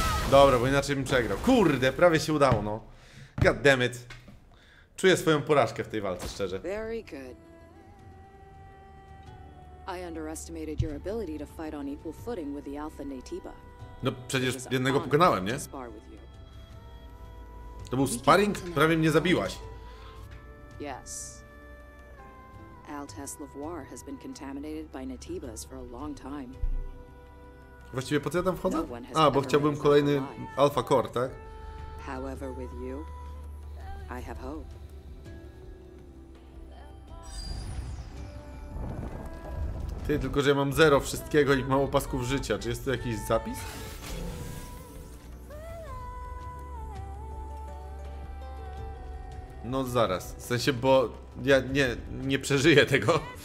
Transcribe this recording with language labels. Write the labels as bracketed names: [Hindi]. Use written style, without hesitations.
[Polish] Dobra, bo inaczej bym przegrał. Kurde, prawie się udało, no. [English] God damn it. [Polish] Czuję swoją porażkę w tej walce, szczerze. [English] Very good. I underestimated your ability to fight on equal footing with the Alpha Natiba. [Polish] No przecież jednego pokonałem, nie? To był sparring? Prawie mnie zabiłaś. [English] Yes. Altes Lavoir has been contaminated by Natibas for a long time. [Polish] Właściwie po co ja tam wchodzę? A, bo chciałbym kolejny Alpha Core, tak? [English] However, with you, I have hope. [Polish] Ty, tylko że ja mam zero wszystkiego i mało pasków życia. Czy jest tu jakiś zapis? No zaraz, w sensie, bo ja nie przeżyję tego.